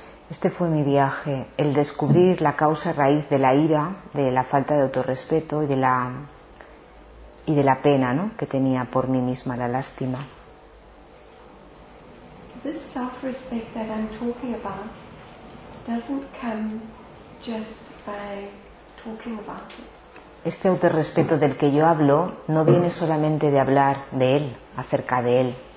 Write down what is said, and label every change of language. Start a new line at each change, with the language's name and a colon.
Spanish: Este fue mi viaje, el descubrir la causa raíz de la ira, de la falta de autorrespeto y de la pena, ¿no?, que tenía por mí misma, la lástima.
English: This self-respect that I'm talking about doesn't come just by talking about it.
Spanish: Este autorrespeto del que yo hablo no viene solamente de hablar de él, acerca de él.